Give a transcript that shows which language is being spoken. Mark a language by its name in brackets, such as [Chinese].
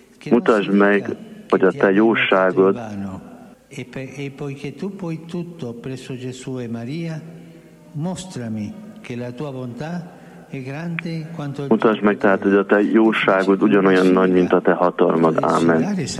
[Hungarian] Mutasd meg, hogy a te jóságod. [Italian] E poiché tu puoi tutto presso Gesù e Maria, mostrami che la tua bontà è grande quanto il [Hungarian] mutasd meg tehát, hogy a te jóságod ugyanolyan nagy, mint a te hatalmad. Amen.